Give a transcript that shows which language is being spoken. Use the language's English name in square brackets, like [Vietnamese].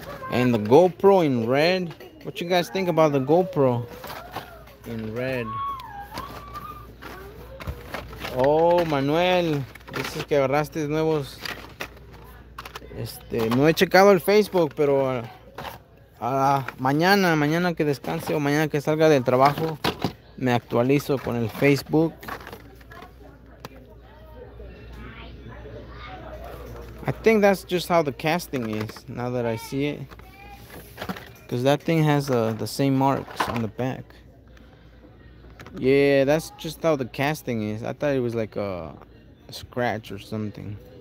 [English] And the GoPro in red. What you guys think about the GoPro in red? Oh, Manuel. [Spanish] Dices que agarraste nuevos. No he checado el Facebook, pero mañana que descanse o mañana que salga del trabajo, me actualizo con el Facebook. [English] I think that's just how the casting is, now that I see it. Because that thing has the same marks on the back. Yeah, that's just how the casting is. I thought it was like a scratch or something.